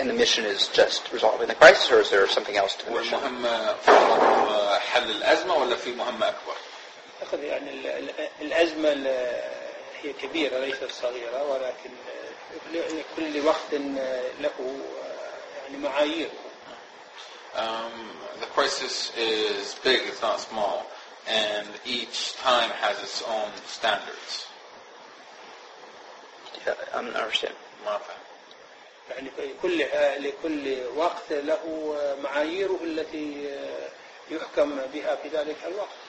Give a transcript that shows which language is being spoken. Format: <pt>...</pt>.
<en>And the mission is just resolving the crisis, or is there something else to the mission?</en> <ar>المهمة فقط حل الأزمة ولا في مهمة أكبر؟ أخذ يعني الأزمة هي كبيرة ليست صغيرة، ولكن كل وقت له يعني معايير.</ar> <en>The crisis is big, it's not small, and each time has its own standards. I'm not understanding.</en> <ar>ما فهم. يعني لكل وقت له معاييره التي يحكم بها في ذلك الوقت.</ar>